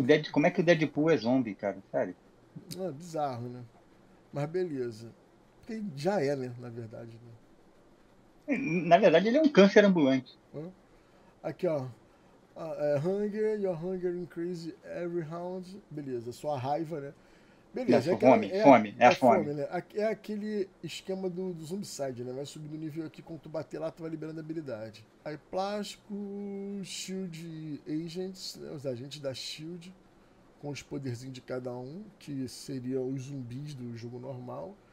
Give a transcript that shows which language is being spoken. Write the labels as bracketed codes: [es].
[pt] Como é que o Deadpool é zombie, cara? Sério? Ah, bizarro, né? Mas beleza. Porque já é, né? Na verdade, né? Na verdade, ele é um câncer ambulante. Aqui, ó. [en] Hunger, your hunger increases every round. [pt] Beleza, sua raiva, né? Beleza, é a fome. É aquele esquema do Zombicide, né? Vai subindo o nível aqui, quando tu bater lá, tu vai liberando habilidade. Aí, plástico, shield agents, né? Os agentes da shield, com os poderzinhos de cada um, que seria os zumbis do jogo normal.